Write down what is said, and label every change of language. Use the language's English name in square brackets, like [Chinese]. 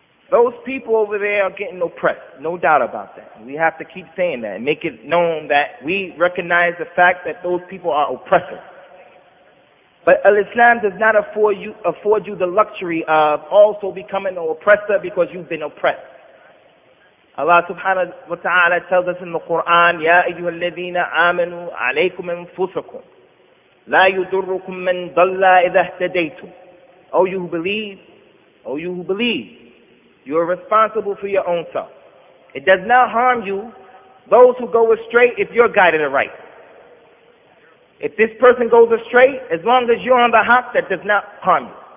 [English] Those people over there are getting oppressed, no doubt about that. We have to keep saying that and make it known that we recognize the fact that those people are oppressive. But al-Islam does not afford you the luxury of also becoming an oppressor because you've been oppressed. [Arabic] Allah subhanahu wa ta'ala tells us in the Quran, يَا أَيُّهَا الَّذِينَ آمَنُوا عَلَيْكُمْ أَنفُسَكُمْ لَا يُدُرُّكُمْ مَنْ ضَلَّ إِذَا اهْتَدَيْتُمْ. [English] O you who believe, O you who believe, you are responsible for your own self. It does not harm you, those who go astray, if you're guided aright. If this person goes astray, as long as you're on the haq, that does not harm you.